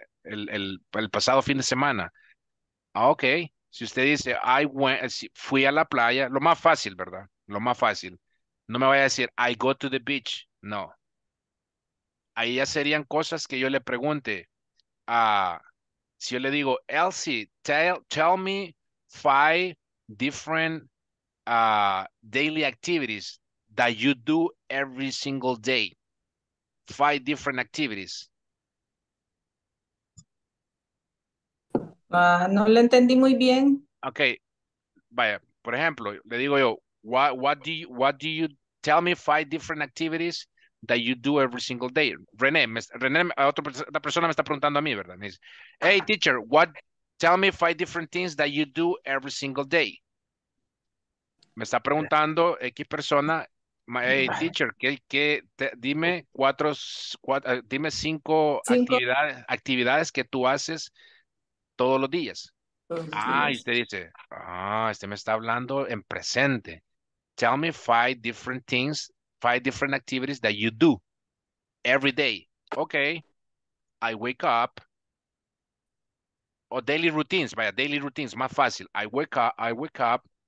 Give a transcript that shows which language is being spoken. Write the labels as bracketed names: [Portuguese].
[Spanish] El pasado fin de semana. Ok. Si usted dice, fui a la playa. Lo más fácil, ¿verdad? Lo más fácil. No me vaya a decir, [English] I go to the beach. [Spanish] No. Ahí ya serían cosas que yo le pregunte. si yo le digo, [English] Elsie, tell me 5 different daily activities that you do every single day. 5 different activities. [Spanish] No le entendí muy bien. [English] Okay. [Spanish] Vaya, por ejemplo, le digo yo, [English] what do you tell me 5 different activities that you do every single day. [Spanish] René, otra persona me está preguntando a mí, ¿verdad? Me dice, [English] hey, teacher, what, tell me 5 different things that you do every single day. [Spanish] Me está preguntando X persona, [English] hey, teacher, [Spanish] dime 5 actividades que tú haces todos los días. Y usted dice, este me está hablando en presente. [English] Tell me 5 different things, 5 different activities that you do every day. Okay. I wake up. Daily routines. Vaya, daily routines. [Spanish] Más fácil. [English] I wake up.